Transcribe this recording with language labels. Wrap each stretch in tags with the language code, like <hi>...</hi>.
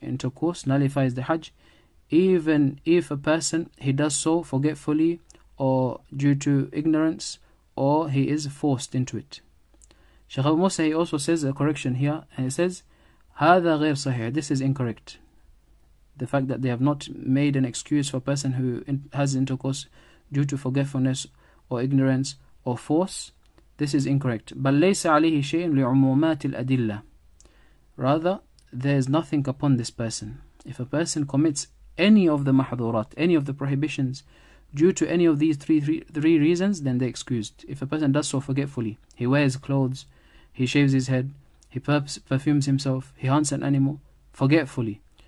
<en>Intercourse nullifies the Hajj, even if a person, he does so forgetfully or due to ignorance, or he is forced into it. Shaykh Abu Musa, he also says a correction here, and he says,</en> <ar>هذا غير صحيح.</ar> <en>This is incorrect. The fact that they have not made an excuse for a person who has intercourse due to forgetfulness or ignorance or force, this is incorrect.</en> <ar>بل ليس عليه شيء لعمومات الأدلة.</ar> <en>Rather, there is nothing upon this person. If a person commits any of the mahdurat, any of the prohibitions, due to any of these three reasons, then they're excused. If a person does so forgetfully, he wears clothes, he shaves his head, he perfumes himself, he hunts an animal, forgetfully.</en>